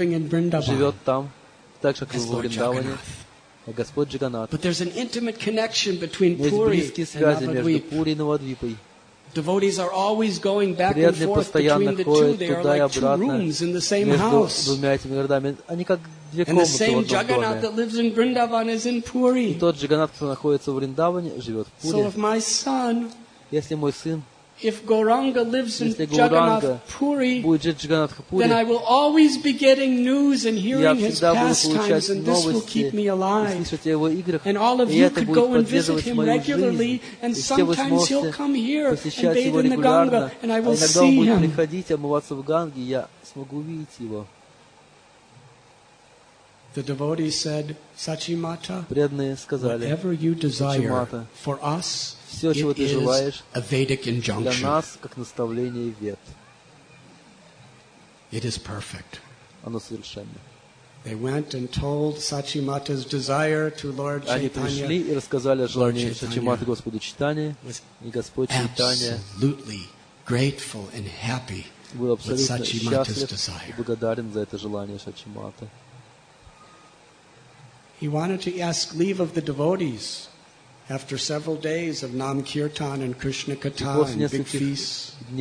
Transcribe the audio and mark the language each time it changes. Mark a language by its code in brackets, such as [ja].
[ru] живет там, так же, как и в Вриндаване, а Господь Джаганатха. Но есть близкие связи между Пури и Навадвипой. [en] Devotees are always going back and forth between the two. They are like two rooms in the same house. And the same Jagannath that lives in Vrindavan is in Puri. [ru] Тот Джаганат, кто находится в Вриндаване, живет в Пури. [en] So if my son, [ru] если мой сын, [en] if Gauranga lives in Jagannath Puri, then I will always be getting news and hearing his pastimes, and this will keep me alive. And all of you could go and visit him regularly, and sometimes he'll come here and bathe in the Ganga, and I will see him. [ru] Иногда он будет приходить, омываться в Ганге, я смогу увидеть его. [en] The devotees said, Сачимата, [ru] преданные сказали, [en] whatever you desire for us, [ru] все, чего ты желаешь, [en] a Vedic injunction. [ru] Для нас, как наставление вед. [en] It is perfect. [ru] Оно совершенно. [en] They went and told Сачимата's desire to Lord Chaitanya. [ru] Они пришли и рассказали о желании Сачимата Господу Чайтанья, и Господь Чайтанья [en] absolutely grateful and happy [ru] был абсолютно счастлив и благодарен за это желание Сачимата. [en] He wanted to ask leave of the devotees after several days of Nam Kirtan and Krishna Katha and big feasts.